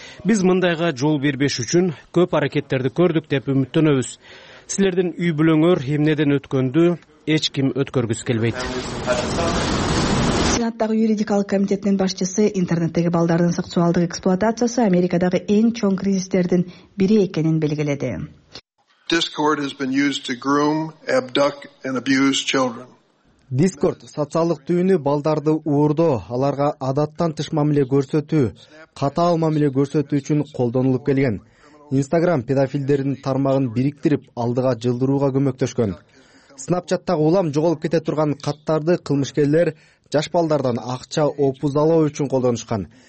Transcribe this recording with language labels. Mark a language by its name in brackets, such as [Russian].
[Kyrgyz] Биз мындайга жол бербеш үчүн көп аракеттерди көрдүк деп үмүттөнөбүз. Силердин үй бүлөңөр эмнеден өткөндү эч ким өткөргүсү келбейт. Сенаттагы юридикалык комитетинин башчысы интернеттеги балдардын сексуалдык эксплуатациясы Америкадагы эң чоң кризистердин бири экенин белгиледи. [English] Discord has been used to groom, abduct and abuse children. [Kyrgyz] Discord социалдык түйүнү балдарды уурдоо, аларга адаттан тыш мамиле көрсөтүү, катаал мамиле көрсөтүү үчүн колдонулуп келген. Instagram педофилдердин тармагын бириктирип, алдыга жылдырууга көмөктөшкөн. Snapchat'тагы улам жоголуп кете турган каттарды кылмышкерлер жаш балдардан акча опузалоо үчүн колдонушкан.